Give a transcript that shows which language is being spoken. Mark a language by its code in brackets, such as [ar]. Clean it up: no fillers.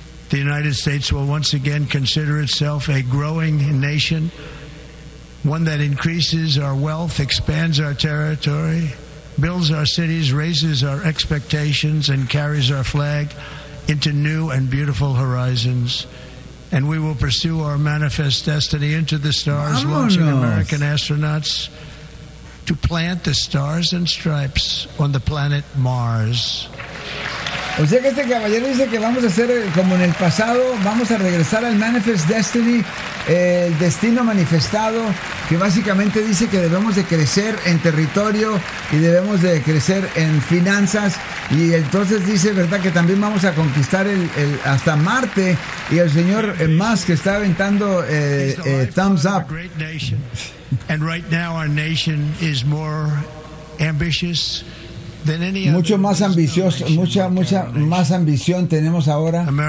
[en] The United States will once again consider itself a growing nation, one that increases our wealth, expands our territory, builds our cities, raises our expectations, and carries our flag into new and beautiful horizons. And we will pursue our manifest destiny into the stars, launching American astronauts to plant the stars and stripes on the planet Mars. [es] O sea que este caballero dice que vamos a hacer como en el pasado, vamos a regresar al Manifest Destiny, el destino manifestado, que básicamente dice que debemos de crecer en territorio y debemos de crecer en finanzas. Y entonces dice, ¿verdad?, que también vamos a conquistar el hasta Marte. Y el señor Musk está aventando thumbs up. [en] And right now our nation is more ambitious. [es] Mucho más ambicioso, mucha más ambición tenemos ahora.